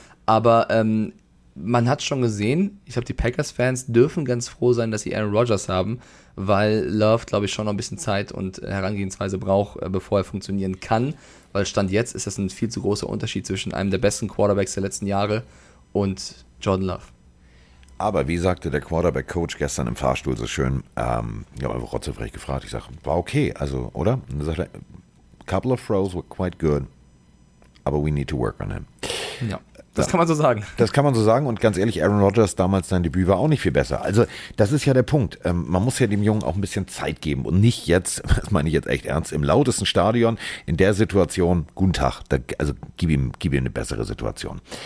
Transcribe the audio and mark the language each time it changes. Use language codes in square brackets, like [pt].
[de] Aber man hat schon gesehen, ich glaube, die Packers-Fans dürfen ganz froh sein, dass sie Aaron Rodgers haben, weil Love, glaube ich, schon noch ein bisschen Zeit und Herangehensweise braucht, bevor er funktionieren kann, weil Stand jetzt ist das ein viel zu großer Unterschied zwischen einem der besten Quarterbacks der letzten Jahre und Jordan Love. Aber wie sagte der Quarterback-Coach gestern im Fahrstuhl so schön, ich habe einfach rotzefrech gefragt, ich sage, war okay, also, oder? [en] Und dann sagt er, couple of throws were quite good, [de] aber [en] we need to work on him. [de] Ja, das kann man so sagen. Das kann man so sagen und ganz ehrlich, Aaron Rodgers, damals sein Debüt war auch nicht viel besser. Also, das ist ja der Punkt. Man muss ja dem Jungen auch ein bisschen Zeit geben und nicht jetzt, das meine ich jetzt echt ernst, im lautesten Stadion, in der Situation, guten Tag, da, also gib ihm eine bessere Situation.